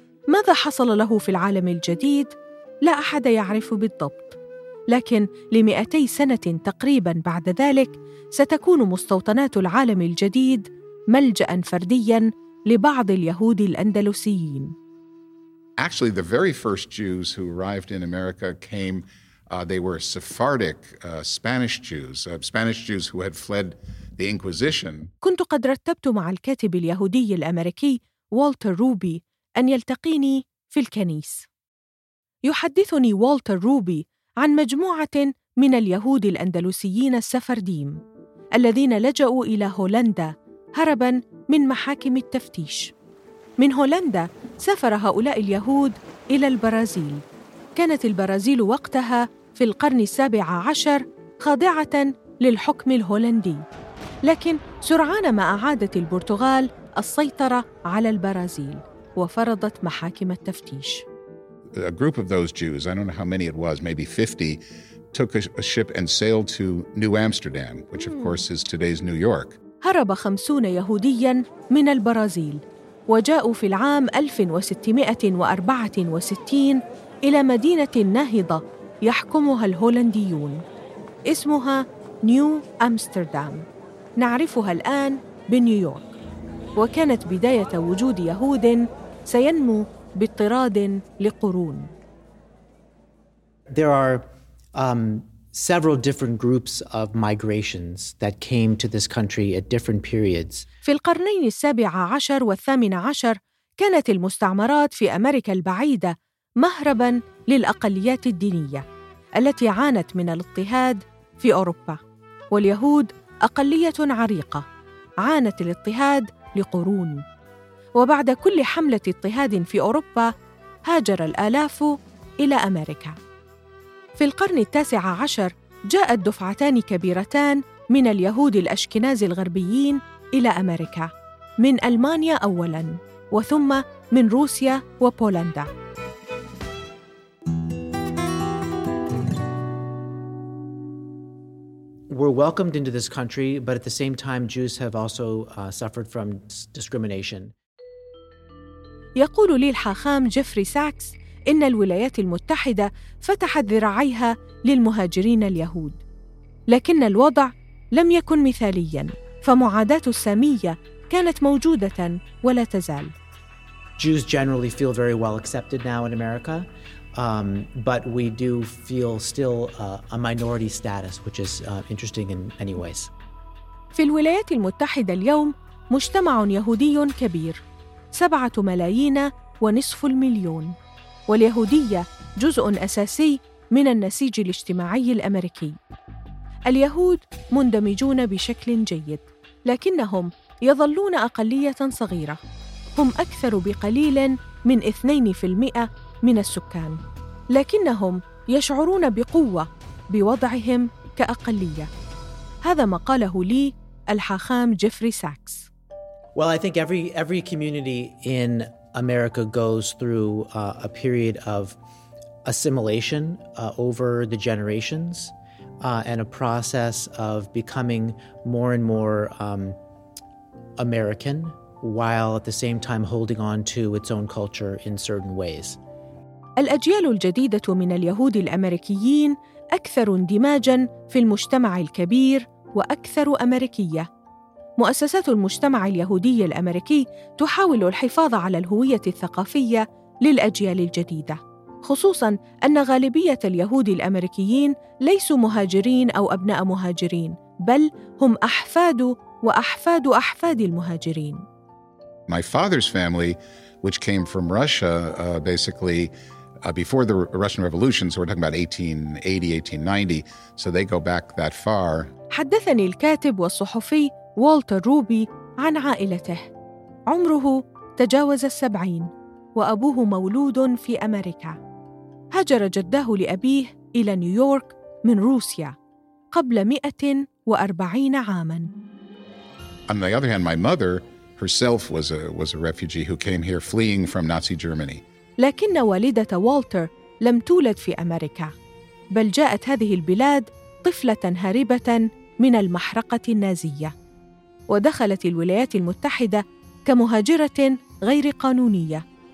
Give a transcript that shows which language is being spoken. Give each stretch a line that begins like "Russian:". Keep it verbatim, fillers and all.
Arabic: ماذا حصل له في العالم الجديد؟ لا أحد يعرف بالضبط، لكن لمئتي سنة تقريباً بعد ذلك ستكون مستوطنات العالم الجديد ملجأً فردياً لبعض اليهود الأندلسيين.
English: Actually, the very first Jews who arrived in America came, uh, they were Sephardic uh, Spanish Jews, uh, Spanish Jews who had fled the Inquisition.
Arabic: كنت قد رتبت مع الكاتب اليهودي الأمريكي والتر روبي أن يلتقيني في الكنيس. يحدثني والتر روبي عن مجموعة من اليهود الأندلسيين السفرديم الذين لجأوا إلى هولندا هرباً من محاكم التفتيش. من هولندا سافر هؤلاء اليهود إلى البرازيل. كانت البرازيل وقتها في القرن السابع عشر خاضعة للحكم الهولندي، لكن سرعان ما أعادت البرتغال السيطرة على البرازيل وفرضت محاكم التفتيش.
English: A group of those Jews, I don't know how many it was, maybe fifty, took a, a ship and sailed to New Amsterdam, which of course is today's New York.
Arabic: هرب خمسون يهودياً من البرازيل وجاءوا في العام ألف وستمائة وأربعة وستين إلى مدينة ناهضة يحكمها الهولنديون اسمها نيو أمستردام، نعرفها الآن بنيويورك، وكانت بداية وجود يهود سينمو باضطراد لقرون.
English: There are um, several different groups of migrations that came to this country at different periods.
Arabic: في القرنين السابع عشر والثامن عشر كانت المستعمرات في أمريكا البعيدة مهرباً للأقليات الدينية التي عانت من الاضطهاد في أوروبا، واليهود أقلية عريقة عانت الاضطهاد لقرون. وبعد كل حملة اضطهاد في أوروبا هاجر الآلاف إلى أمريكا. في القرن التاسع عشر جاءت دفعتان كبيرتان من اليهود الأشكناز الغربيين إلى أمريكا، من ألمانيا أولاً وثم من روسيا وبولندا.
English: We're welcomed into this country, but at the same time Jews have also uh, suffered from discrimination.
Arabic: يقول لي الحاخام جيفري ساكس إن الولايات المتحدة فتحت ذراعيها للمهاجرين اليهود، لكن الوضع لم يكن مثالياً، فمعاداة السامية كانت موجودة ولا تزال.
English: Jews generally feel very well accepted now in America, um, but we do feel still uh, a minority status, which is uh, interesting in many ways.
Arabic: في الولايات المتحدة اليوم مجتمع يهودي كبير، سبعة ملايين ونصف المليون، واليهودية جزء أساسي من النسيج الاجتماعي الأمريكي. اليهود مندمجون بشكل جيد، لكنهم يظلون أقلية صغيرة. هم أكثر بقليل من اثنين بالمئة من السكان، لكنهم يشعرون بقوة بوضعهم كأقلية. هذا ما قاله لي الحاخام جيفري ساكس.
English: Well, I think every every community in America goes through uh, a period of assimilation uh, over the generations uh, and a process of becoming more and more um, American while at the same time holding on to its own culture in certain ways.
Arabic: الأجيال الجديدة من اليهود الأمريكيين أكثر اندماجاً في المجتمع الكبير وأكثر أمريكية. مؤسسات المجتمع اليهودي الأمريكي تحاول الحفاظ على الهوية الثقافية للأجيال الجديدة، خصوصاً أن غالبية اليهود الأمريكيين ليسوا مهاجرين أو أبناء مهاجرين، بل هم أحفاد وأحفاد أحفاد المهاجرين.
English: My father's family, which came from Russia, uh, basically uh, before the Russian Revolution, so we're talking about eighteen eighty, eighteen ninety, so they go back that far.
Arabic: حدثني الكاتب والصحفي والتر روبي عن عائلته. عمره تجاوز السبعين، وأبوه مولود في أمريكا. هاجر جداه لأبيه إلى نيويورك من روسيا قبل مئة وأربعين عاماً.
English: On the other hand, my mother herself was a, was a refugee who came here fleeing from Nazi Germany.
Arabic: لكن والدة والتر لم تولد في أمريكا، بل جاءت هذه البلاد طفلة هاربة من المحرقة النازية، ودخلت الولايات المتحدة كمهاجرة غير قانونية.